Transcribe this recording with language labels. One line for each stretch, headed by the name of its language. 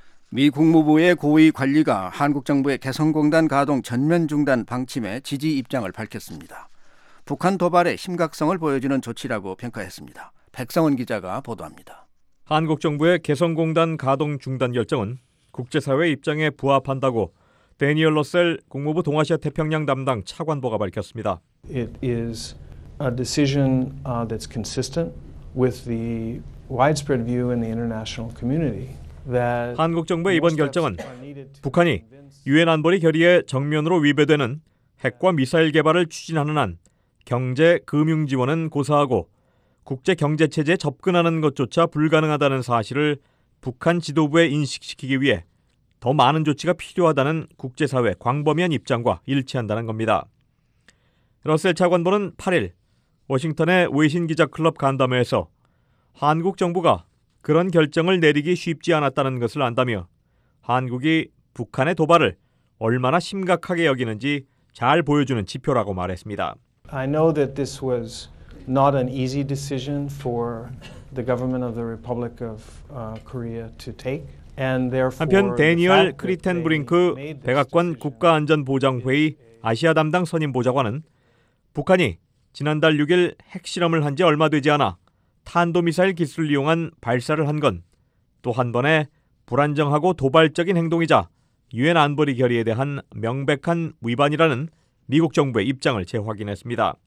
Korean: 미 국무부의 고위 관리가 한국 정부의 개성공단 가동 전면 중단 방침에 지지 입장을 밝혔습니다. 북한 도발의 심각성을 보여주는 조치라고 평가했습니다. 백성원 기자가 보도합니다. 한국 정부의 개성공단 가동 중단 결정은 국제사회 입장에 부합한다고 대니얼 러셀 국무부 동아시아 태평양 담당 차관보가 밝혔습니다.
English: It is a decision that's consistent with the widespread view in the international community.
Korean: 한국 정부의 이번 결정은 북한이 유엔 안보리 결의에 정면으로 위배되는 핵과 미사일 개발을 추진하는 한 경제 금융 지원은 고사하고 국제 경제 체제에 접근하는 것조차 불가능하다는 사실을 북한 지도부에 인식시키기 위해 더 많은 조치가 필요하다는 국제사회 광범위한 입장과 일치한다는 겁니다. 러셀 차관보는 8일 워싱턴의 외신 기자 클럽 간담회에서 한국 정부가 그런 결정을 내리기 쉽지 않았다는 것을 안다며 한국이 북한의 도발을 얼마나 심각하게 여기는지 잘 보여주는 지표라고 말했습니다.
English: I know that this was not an easy decision for the government of the Republic of Korea to take. And therefore,
Korean: 한편 대니얼 크리텐브링크 백악관 국가안전보장회의 아시아 담당 선임 보좌관은 북한이 지난달 6일 핵실험을 한 지 얼마 되지 않아 탄도미사일 기술을 이용한 발사를 한 건 또 한 번의 불안정하고 도발적인 행동이자 유엔 안보리 결의에 대한 명백한 위반이라는 미국 정부의 입장을 재확인했습니다.